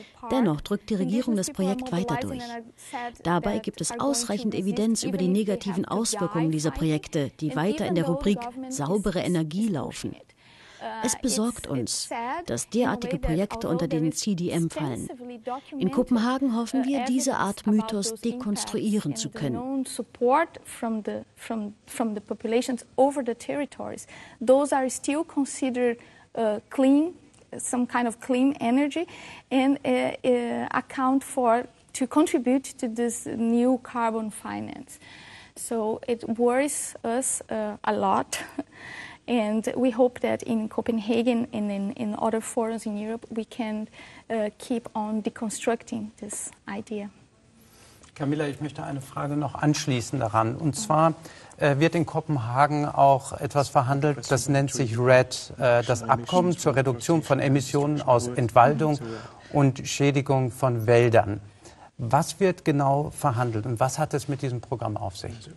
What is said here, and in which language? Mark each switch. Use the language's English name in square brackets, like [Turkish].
[German] Dennoch drückt die Regierung das Projekt weiter durch. Dabei gibt es ausreichend Evidenz über die negativen Auswirkungen dieser Projekte, die weiter in der Rubrik saubere Energie laufen. Es besorgt uns, dass derartige Projekte unter den CDM fallen. In Kopenhagen hoffen wir, diese Art Mythos dekonstruieren zu können. [English] From the populations over the territories. Those are still considered clean, some kind of clean energy, and account for to contribute to this new carbon finance. So it worries us a lot. And we hope that in Copenhagen and in other forums in Europe, we can keep on deconstructing this idea. [German] Camila, ich möchte eine Frage noch anschließen daran. Und zwar wird in Kopenhagen auch etwas verhandelt, das nennt sich RED, das Abkommen zur Reduktion von Emissionen aus Entwaldung und Schädigung von Wäldern. Was wird genau verhandelt und was hat es mit diesem Programm auf sich?